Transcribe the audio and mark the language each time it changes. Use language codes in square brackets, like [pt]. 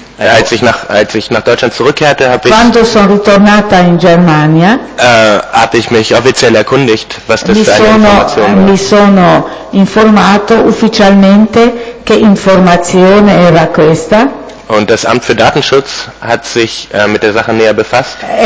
[de] Als ich nach Deutschland zurückkehrte, habe ich. [it] Quando sono ritornata in Germania? [de] Habe ich mich offiziell erkundigt, was das für eine Information war. [it] Mi sono informato ufficialmente che informazione era questa. [de] Und das Amt für Datenschutz hat sich mit der Sache näher befasst.